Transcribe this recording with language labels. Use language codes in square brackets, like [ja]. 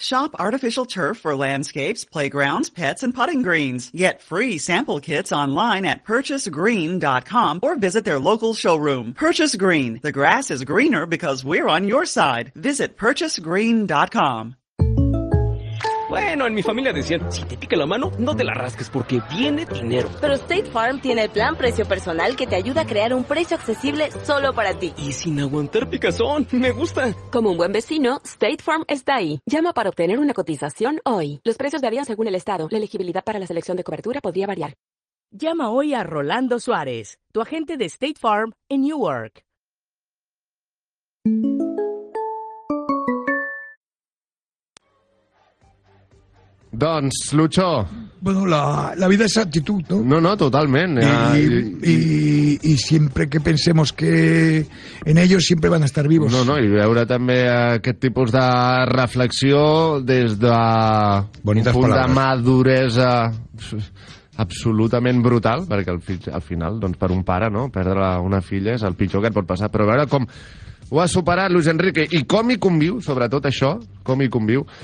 [en] Shop artificial turf for landscapes, playgrounds, pets, and putting greens. Get free sample kits online at purchasegreen.com or visit their local showroom. Purchase Green, the grass is greener because we're on your side. Visit purchasegreen.com. [es] Bueno, en mi familia decían, si te pica la mano, no te la rasques porque viene dinero. Pero State Farm tiene el plan precio personal que te ayuda a crear un precio accesible solo para ti. Y sin aguantar picazón, me gusta. Como un buen vecino, State Farm está ahí. Llama para obtener una cotización hoy. Los precios varían según el estado. La elegibilidad para la selección de cobertura podría variar. Llama hoy a Rolando Suárez, tu agente de State Farm en Newark. [ca] Doncs, Lucho... [es] Bueno, la vida es actitud, ¿no? No, no, totalmente. Y siempre que pensemos que en ellos siempre van a estar vivos. [ca] No, no, i veure també aquest tipus de reflexió des de... Bonites paraules. De maduresa absolutament brutal, perquè al final, doncs, per un pare, no?, perdre una filla és el pitjor que et pot passar. Però veure com... Ho ha superat, Luis Enrique. I com hi conviu, sobretot això, com hi conviu?